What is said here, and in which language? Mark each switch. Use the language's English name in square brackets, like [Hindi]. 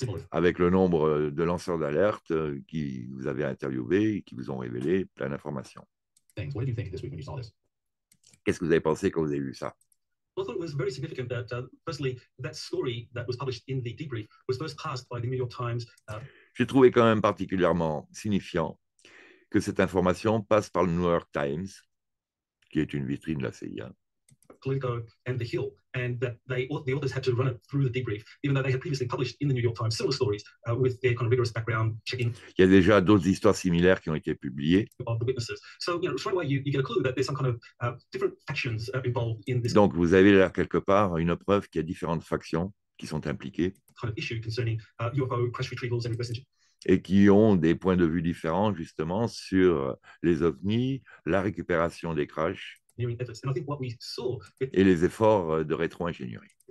[French] Avec le nombre de lanceurs d'alerte qui vous avez interviewé et qui vous ont révélé plein d'informations. Qu'est-ce que vous avez pensé quand vous avez vu ça? [English] I thought it was very significant that, firstly, that story that was published in the debrief was first passed by the New York Times. [French] J'ai trouvé quand même particulièrement signifiant que cette information passe par le New York Times, qui est une vitrine de la CIA. [English] Politico and The Hill, and that the authors had to run it through the debrief, even though they had previously published in the New York Times similar stories with their kind of rigorous background checking. [French] Il y a déjà d'autres histoires similaires qui ont été publiées. [English] Of the witnesses. So, you know, straight away, you get a clue that there's some kind of different factions involved in this. [French] Donc, vous avez l'air quelque part une preuve qu'il y a différentes factions qui sont impliquées. [English] Kind of issue concerning UFO crash retrievals and reverse engineering. [French] Et qui ont des points de vue différents, justement, sur les ovnis, la récupération des crashs et les efforts de rétro-ingénierie.